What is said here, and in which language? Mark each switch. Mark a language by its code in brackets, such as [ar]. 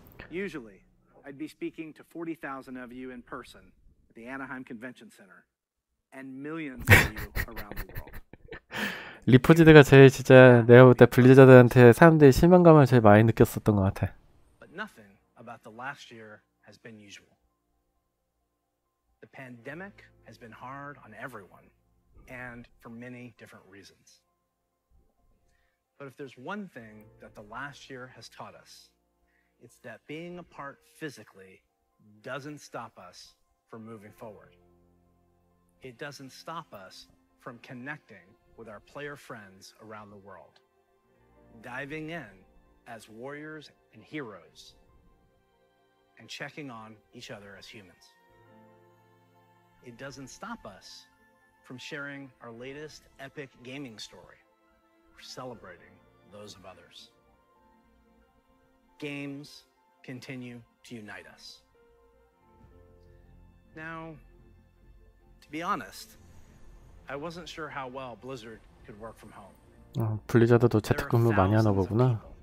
[en] Usually, I'd be speaking to 40,000 of you in person at the Anaheim Convention Center. And millions of you around the world. [ko] 리포지드가 제일 진짜 내가 볼 때 블리자드한테 사람들이 실망감을 제일 많이 느꼈었던 것 같아. [en] But nothing about the last year has been usual. The pandemic has been hard on everyone, and for many different reasons. But if there's one thing that the last year has taught us, it's that being apart physically doesn't stop us from moving forward. It doesn't stop us from connecting with our player friends around the world, diving in as warriors and heroes, and checking on each other as humans. It doesn't stop us from sharing our latest epic gaming story, or celebrating those of others. Games continue to unite us. Now, to be honest, I wasn't sure how well Blizzard could work from home. [ko] 블리자드도 재택근무 많이 하나 보구나.